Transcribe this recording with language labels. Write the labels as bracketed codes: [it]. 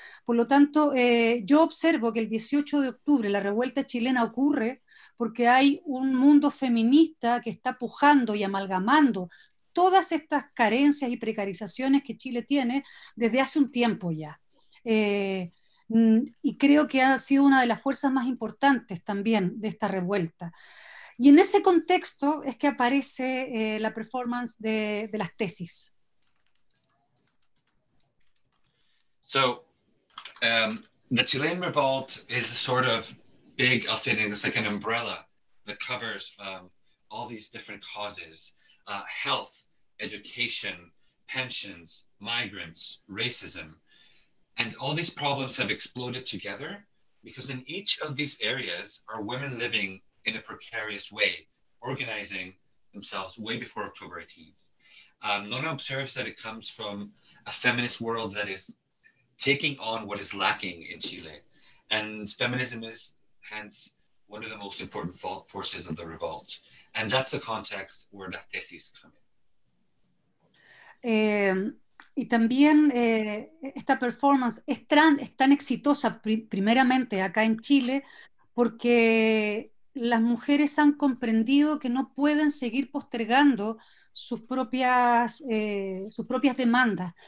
[es] Por lo tanto, yo observo que el 18 de octubre la revuelta chilena ocurre porque hay un mundo feminista que está pujando y amalgamando todas estas carencias y precarizaciones que Chile tiene desde hace un tiempo ya. Y creo que ha sido una de las fuerzas más importantes también de esta revuelta. Y en ese contexto es que aparece la performance de las tesis. [en] So, the Chilean revolt is a sort of big, I'll say it, it's like an umbrella that covers all these different causes, health, education, pensions, migrants, racism. And all these problems have exploded together because in each of these areas are women living in a precarious way, organizing themselves way before October 18th. Nona observes that it comes from a feminist world that is taking on what is lacking in Chile. And feminism is hence one of the most important forces of the revolt. And that's the context where that thesis comes in. [es] Y también esta performance es tan exitosa primeramente acá en Chile porque las mujeres han comprendido que no pueden seguir postergando sus propias demandas.